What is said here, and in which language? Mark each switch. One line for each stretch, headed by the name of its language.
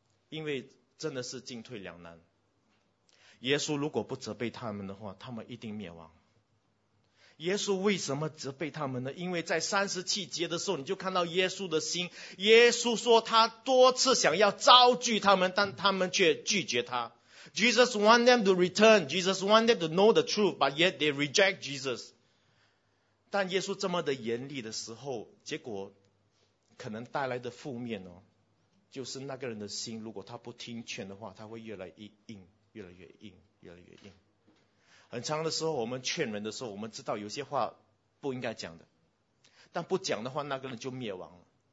Chinese: 因为真的是进退两难。耶稣如果不责备他们的话，他们一定灭亡。耶稣为什么责备他们呢？因为在37节的时候，你就看到耶稣的心。耶稣说他多次想要召聚他们，但他们却拒绝他。
English: Jesus want them to return. Jesus want them to know the truth, but yet they reject Jesus.
Chinese: 但耶稣这么的严厉的时候，结果可能带来的负面哦，就是那个人的心，如果他不听劝的话，他会越来越硬，越来越硬，越来越硬。很长的时候，我们劝人的时候，我们知道有些话不应该讲的，但不讲的话，那个人就灭亡了。